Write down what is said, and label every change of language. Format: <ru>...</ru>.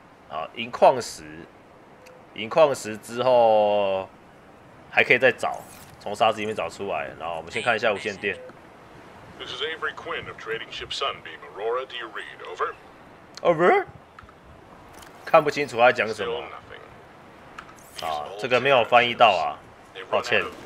<zh>啊，银矿石之后还可以再找，从沙子里面找出来。然后我们先看一下无线电。</zh> <en>This is Avery Quinn of Trading Ship Sunbeam Aurora. Do you read? Over. Over.</en> <zh>看不清楚他在讲什么。</zh> <en>Still nothing.</en> <zh>啊，这个没有翻译到啊，抱歉。</zh>